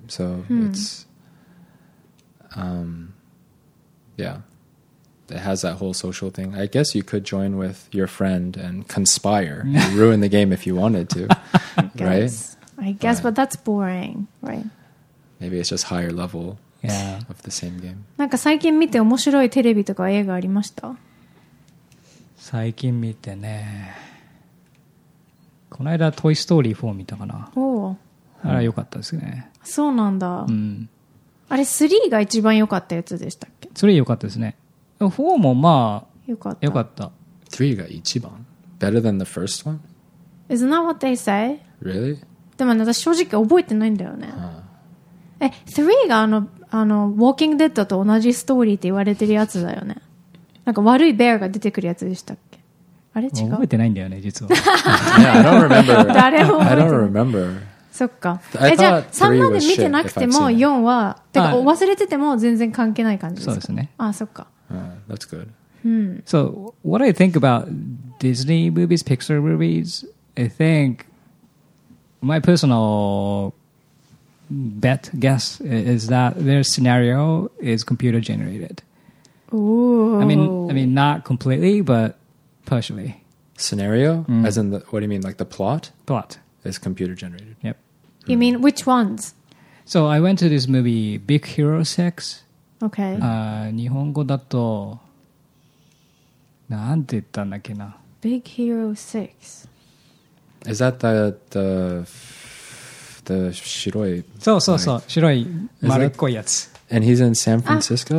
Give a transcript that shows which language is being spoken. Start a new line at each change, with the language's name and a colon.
English: So it's, it has that whole social thing. I guess you could join with your friend and conspire and ruin the game if you wanted to, right? I guess, but that's boring, right? Maybe it's just higher level of the same game.
Japanese: なんか最近見て面白いテレビとか映画ありました？最近見てね。この間トイストーリー4見たかな。おお。あれ良かったですね。そうなんだ。うん。あれ3が一番良かったやつでしたっけ？ 3良かったですね。4もまあよかった。 3が一番
English: Better than the first one? Isn't that what they say? Really?
Japanese: でも私正直覚えてないんだよね。3があの Walking Dead と同じストーリーって言われてるやつだよね。なんか悪いベアが出てくるやつでしたっけ。あれ違う。覚えてないんだよね実は。
English: Yeah, I don't remember.
Japanese: 誰も覚えてない。
English: I don't remember.
Japanese: そっか。じゃあ3まで見てなくても4はてか忘れてても全然関係ない感じですか。そうですね。ああそっか。
English: That's good. So what I think about Disney movies, Pixar movies, I think my personal guess is that their scenario is computer generated. I mean, not completely, but partially. Scenario? Mm. As in, what do you mean? Like the plot? Plot. Is computer generated. Yep. You mean which ones? So I went to this movie, Big Hero 6. Okay.
Japanese: 日本語だとなんて言ったんだっけな。
English: Big Hero 6. Is that the 白い。
Japanese: そうそうそう。白い丸っこいやつ。
English: And he's in San Francisco?